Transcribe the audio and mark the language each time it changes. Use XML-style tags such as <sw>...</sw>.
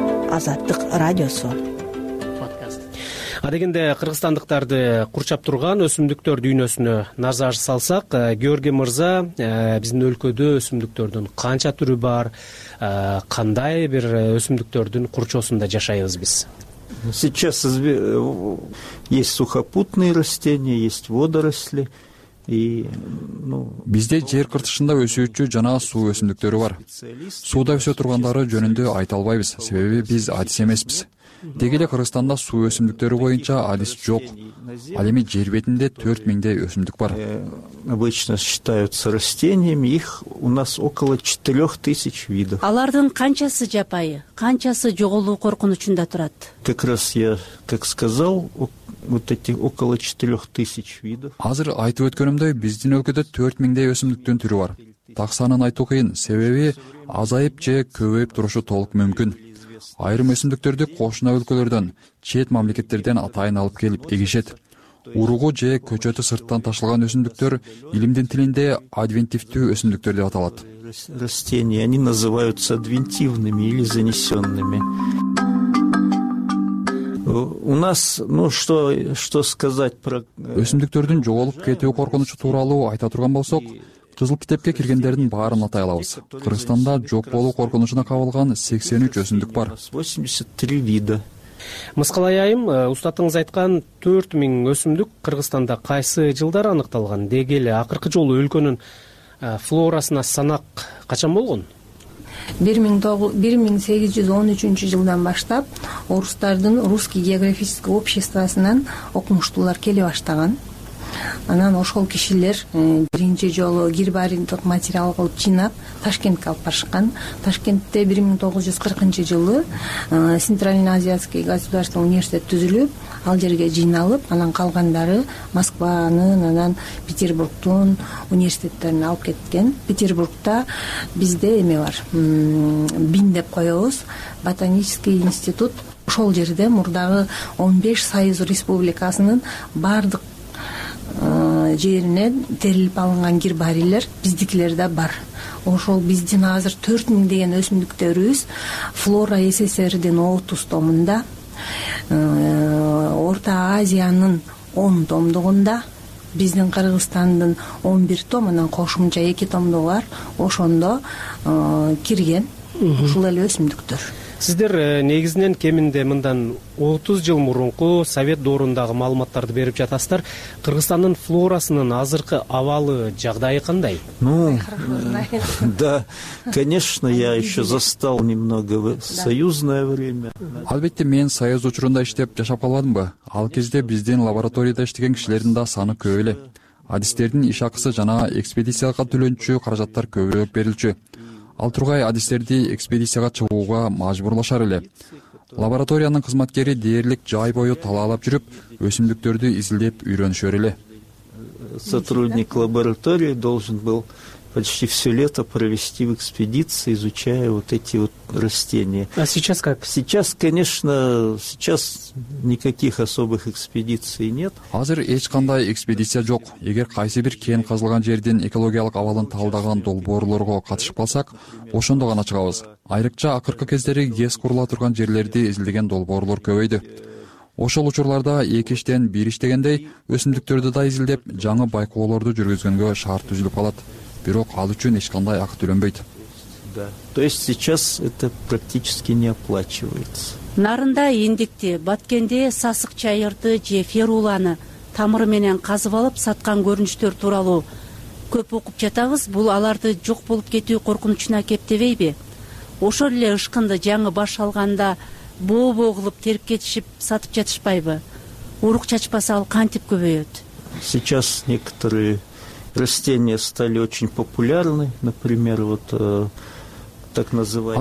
<ky>Азаттык радиосу. Адегенде кыргызстандыктарды курчап турган өсүмдүктөр дүйнөсүнө назар салсак, Георгий мырза, биздин өлкөдө өсүмдүктөрдүн канча түрү бар, кандай бир өсүмдүктөрдүн курчоосунда жашайбыз биз?</ky> <ru>Сейчас есть сухопутные растения, есть водоросли.</ru> <ky>Бизде жер кыртышында өсүүчү жана суу өсүмдүктөрү бар. Сууда өсө тургандары жөнүндө айта албайбыз, себеби биз адис эмеспиз. Деги эле Кыргызстанда суу өсүмдүктөрү боюнча адис жок. Ал эми жер бетинде 4000 өсүмдүк бар.</ky> <ru>Обычно считаются растениями, их у нас около 4000 видов.</ru> <ky>Алардын канчасы жапайы, канчасы жоголуу коркунучунда турат?</ky> <ru>Как раз я так сказал, вот эти около 4000 видов.</ru> <ky>Азыр айтып өткөнүмдөй, биздин өлкөдө 4000 өсүмдүктүн түрү бар. Так санын айтуу кыйын, себеби азайып же көбөйүп турушу толук мүмкүн. Айрым өсүмдүктөрдү кошуна өлкөлөрдөн, чет мамлекеттерден атайын алып келип эгишет. Уругу же көчөтү сырттан ташылган өсүмдүктөр илимдин тилинде адвентивдүү өсүмдүктөр деп аталат.</ky> <ru>Растения, они называются адвентивными или занесёнными. У нас, ну что, что сказать про</ru> <ky>өсүмдүктөрдүн жоголуп кетүү коркунучу тууралуу айта турган болсок, кызыл китепке киргендердин баарын атай алабыз. Кыргызстанда жок болуу коркунучуна кабылган 83 өсүмдүк бар.</ky> <ru>83 вида.</ru> <ky>Мыскал айым, устатыңыз айткан 4000 өсүмдүк Кыргызстанда кайсы жылдары аныкталган? Деги эле акыркы жолу өлкөнүн флорасына санак качан болгон? 1813 жылдан баштап орустардын Русский географический обществосунан окумуштуулар келе баштаган. Анан ошол кишилер биринчи жолу гербарий тот материал кылып жыйнап Ташкентке алып барышкан. Ташкентте 1940 жылы Центральный Азиатский государственный университет түзүлүп, ал жерге жыйналып, анан калгандары Москванын, анан Петербургтун университеттерине алып кеткен. Петербургта бизде эме бар. Бин деп коебуз, Ботанический институт. Ошол жерде мурдагы 15 союз республикасынын бардык жерине терилип алынган гербарийлер биздикилер да бар. Ошол биздин азыр 4000 деген өсүмдүктөрүбүз флора СССРдин 30 томунда, Орто Азиянын 10 томдугунда, биздин Кыргызстандын 11 том, анан кошумча 2 томдугу бар. Ошондо кирген ушул эле өсүмдүктөр. Сиздер негизинен кеминде мындан 30 жыл мурунку совет доорундагы маалыматтарды берип жатасыздар. Кыргызстандын флорасынын азыркы абалы, жагдайы кандай?</ky> <ru>Ну, да, конечно, я еще застал немного союзное время.</ru> <ky>Албетте, мен союз учурунда иштеп жашап калбадымбы? Ал кезде биздин лабораторияда иштеген кишилердин да саны көп эле. Адистердин иш акысы жана экспедицияга төлөнчү каражаттар көбүрөөк берилчү. Ал тургай адистерди экспедицияга чыгууга мажбурлашар эле. Лабораториянын кызматкери дээрлик жай бою талаалап жүрүп, өсүмдүктөрдү изилдеп үйрөнүшөр эле.</ky> <ru>Сотрудник лаборатории должен был почти все лето провести в экспедиции, изучая вот эти вот растения. А сейчас как? Сейчас, конечно, сейчас никаких особых экспедиций нет.</ru> <ky>Азыр эч кандай экспедиция жок. Эгер кайсы бир кен казылган жердин экологиялык абалын талдаган долбоорлорго катышып калсак, ошондо гана чыгабыз. Айрыкча акыркы кездери ГЭС курула турган жерлерди изилдеген долбоорлор көбөйдү. Ошол учурларда эки иштен бир иштегендей өсүмдүктөрдү да изилдеп, жаңы байкоолорду жүргүзгөнгө шарт түзүлүп калат. Бирок ал үчүн эч кандай акы төлөнбөйт.</ky> <ru>Да. То есть сейчас это практически не оплачивается.</ru> <ky>Нарында индикти, баткенде сасык чайырды же феруланы тамыры менен казып алып саткан көрүнүштөр тууралуу көп окуп жатабыз. Бул аларды жок болуп кетүү коркунучуна кептебейби? Ошол эле ышкынды жаңы баш алганда боо-боо кылып терип кетишип сатып жатышпайбы? Урук чачпаса ал кантип көбөйөт?</ky> <ru>Сейчас некоторые растения стали очень популярны, например, вот так называемые.</ru>